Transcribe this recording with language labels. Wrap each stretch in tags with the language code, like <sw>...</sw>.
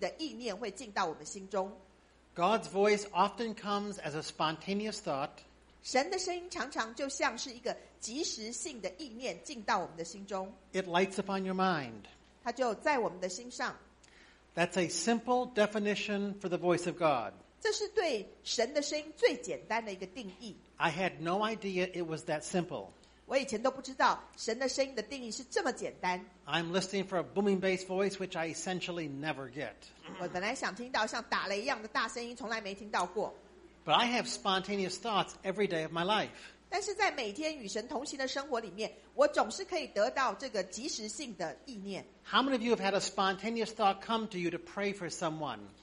<zh>那在这里我们会说，神的声音呢，常常都是一个及时性的意念会进到我们心中。</zh> <en>God's voice often comes as a spontaneous thought.</en> <zh>神的声音常常就像是一个及时性的意念进到我们的心中。</zh> <en>It lights upon your mind.</en> <zh>它就在我们的心上。</zh> <en>That's a simple definition for the voice of God.</en> <zh>这是对神的声音最简单的一个定义。</zh> <en>I had no idea it was that simple.</en> <zh>我以前都不知道神的声音的定义是这么简单。</zh> <en>I'm listening for a booming bass voice, which I essentially never get.</en> <zh>我本来想听到像打雷一样的大声音，从来没听到过。</zh> <en>But I have spontaneous thoughts every day of my life.</en> <zh>但是在每天与神同行的生活里面，我总是可以得到这个及时性的意念。</zh> <en>How many of you have had a spontaneous thought come to you to pray for someone?</en>